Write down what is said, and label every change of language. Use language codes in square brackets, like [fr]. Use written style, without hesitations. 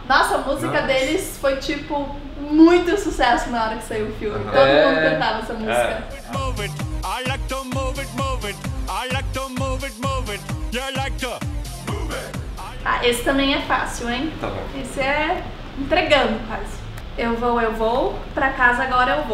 [pt] Nossa, a música deles foi tipo muito sucesso na hora que saiu o filme. Todo mundo cantava essa música. [en] Move it, I like to move it, move it. I like to move it, move it. You like to move it. [pt] Ah, esse também é fácil, hein? Tá bom. Esse é entregando quase. Eu vou, pra casa agora eu vou.